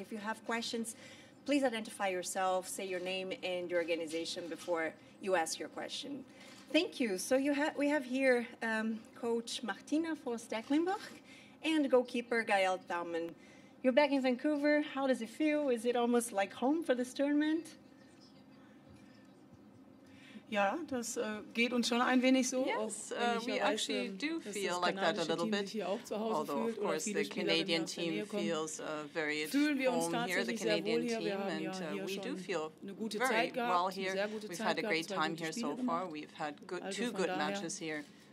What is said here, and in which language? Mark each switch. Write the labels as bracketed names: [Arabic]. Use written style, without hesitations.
[English] If you have questions, please identify yourself, say your name and your organization before you ask your question. Thank you. So we have here Coach Martina Vos-Tecklenburg and goalkeeper Gaëlle Thalmann. You're back in Vancouver. How does it feel? Is it almost like home for this tournament? [German] Ja, das geht uns schon ein wenig so. [English] Yes, we actually do feel like that a little bit. Although, of course, the Canadian team feels very at home here, the Canadian team, and we do feel very well here. We've had a great time here so far. We've had two good matches here.